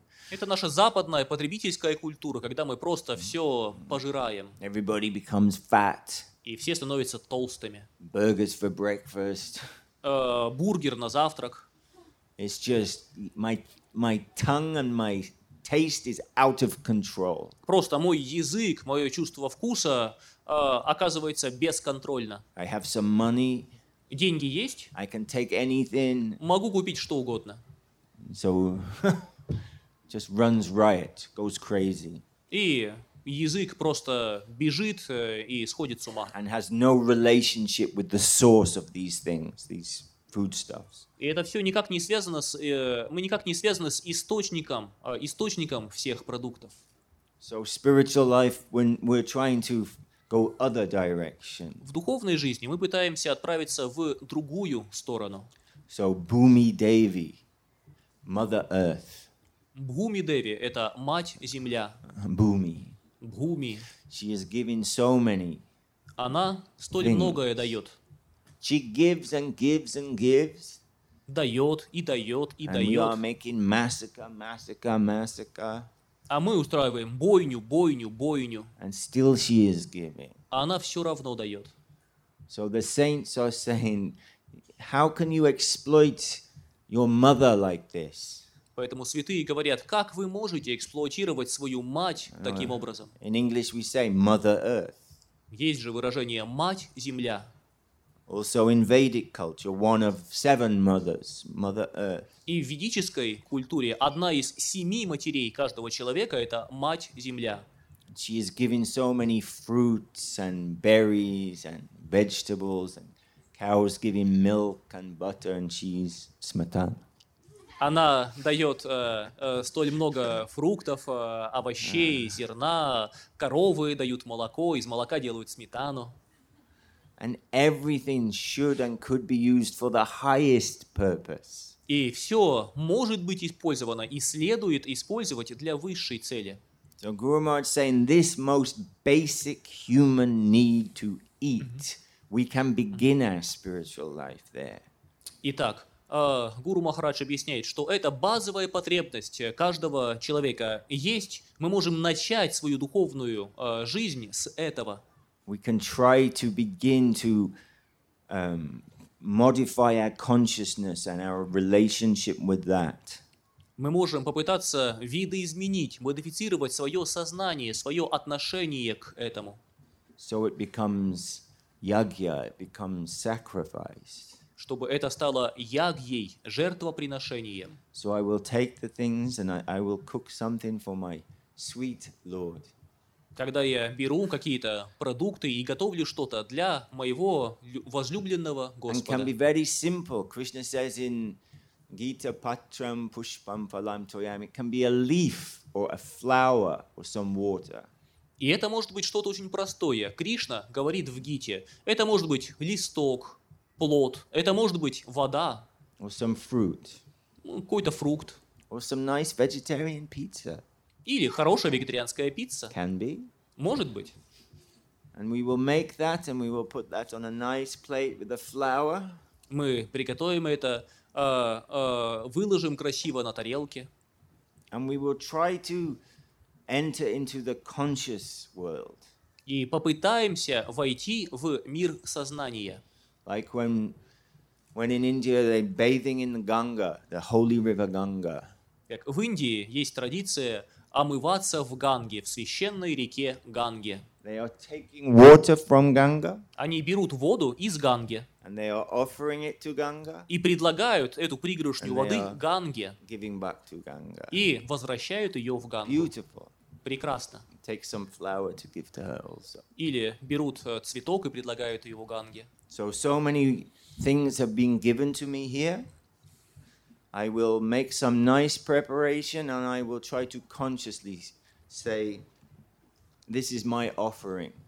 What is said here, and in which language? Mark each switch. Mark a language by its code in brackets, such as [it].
[ru] Это наша западная потребительская культура, когда мы просто все пожираем. [en] Everybody becomes fat. [ru] И все становятся толстыми. [en] Burgers for breakfast. [ru] Бургер на завтрак. [en] It's just my tongue and my taste is out of control. [ru] Просто мой язык, мое чувство вкуса оказывается бесконтрольно. [en] I have some money. [ru] Деньги есть. [en] I can take anything. [ru] Могу купить что угодно. [en] So, just runs riot, goes crazy. [ru] И язык просто бежит и сходит с ума. [en] And has no relationship with the source of these things, these foodstuffs. [ru] И это все никак не связано с, мы никак не связаны с источником всех продуктов. [en] So spiritual life, when we're trying to go other direction. [ru] В духовной жизни мы пытаемся отправиться в другую сторону. [en] So Bhumi Devi, Mother Earth. [ru] Bhumi Devi – это мать земля. [en] Bhumi. [ru] Bhumi. [en] She is giving so many. [ru] Она столь [en] things. [ru] Многое дает. [en] She gives and gives and gives. [ru] Дает и дает и [en] and [ru] дает. [en] And we are making massacre, massacre, massacre. [ru] А мы устраиваем бойню, бойню, бойню. [en] And still she is giving. [ru] А она все равно дает. [en] So the saints are saying, how can you exploit your mother like this? [ru] Поэтому святые говорят, как вы можете эксплуатировать свою мать таким образом? [en] In English we say Mother Earth. [ru] Есть же выражение «мать земля». [en] Also in Vedic culture, one of seven mothers, Mother Earth. [ru] И в ведической культуре одна из семи матерей каждого человека – это мать земля. [en] She is given so many fruits and berries and vegetables, and cows giving milk and butter and cheese, smatan. [ru] Она дает столь много фруктов, овощей, зерна, коровы дают молоко, из молока делают сметану. [en] And everything should and could be used for the highest purpose. [ru] И все может быть использовано и следует использовать для высшей цели. [en] So Guru Maharaj saying this most basic human need to eat, we can begin our spiritual life there. [ru] Итак, Гуру Махарадж объясняет, что это базовая потребность каждого человека есть. Мы можем начать свою духовную жизнь с этого. [en] We can try to begin to modify our consciousness and our relationship with that. [ru] Мы можем попытаться видоизменить, модифицировать свое сознание, свое отношение к этому. [en] So it becomes yagya, it becomes sacrifice. [ru] Чтобы это стало ягьей, жертвоприношением. [en] So I will take the things and I will cook something for my sweet Lord. [ru] Когда я беру какие-то продукты и готовлю что-то для моего возлюбленного Господа. [en] And can be very simple. Krishna says in Gita [sa] Patram Pushpam Phalam Toyam, [en] it can be a leaf or a flower or some water. [ru] И это может быть что-то очень простое. Кришна говорит в Гите, это может быть листок, плод, это может быть вода. [en] Or some fruit. [ru] Какой-то фрукт. [en] Or some nice vegetarian pizza. [ru] Или хорошая вегетарианская пицца. [en] Can be. [ru] Может быть. [en] And we will make that and we will put that on a nice plate with a flower. [ru] Мы приготовим это, выложим красиво на тарелке. [en] And we will try to enter into the conscious world. [ru] И попытаемся войти в мир сознания. [en] Like when in India they bathing in the Ganga, the holy river Ganga. [ru] Как в Индии есть традиция омываться в Ганге, в священной реке Ганге. [en] They are taking water from Ganga. [ru] Они берут воду из Ганги. [en] And they are offering it to Ganga. [ru] И предлагают эту пригоршню воды Ганге. [en] Giving back to Ganga. [ru] И возвращают ее в Гангу. [en] Beautiful. [ru] Прекрасно. [en] Take some flower to give to her also. [ru] Или берут цветок и предлагают его Ганге. [en] So many things have been given to me here. I will make some nice preparation and I will try to consciously say, this is my offering.